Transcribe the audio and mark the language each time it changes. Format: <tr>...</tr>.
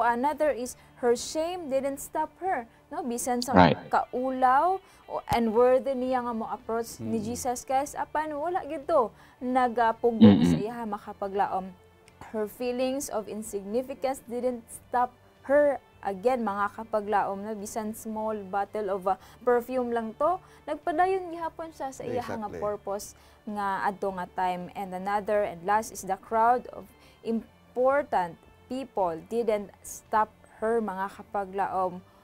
<en>Another is her shame didn't stop her.</en> <ceb>No, bisan sa kaulaw and worthy niya nga mo approach ni Jesus Christ, apan wala gito nagapugong sa iya makapaglaom.</ceb> <en>Her feelings of insignificance didn't stop her.</en> <ceb>Again, mga kapaglaom, no, bisan</ceb> <en>small bottle of perfume</en> <ceb>lang to, nagpadayon gihapon siya sa iya nga purpose nga adto nga time.</ceb> <en>And another and last is the crowd of important people didn't stop her,</en> <ceb>mga kapaglaom.</ceb>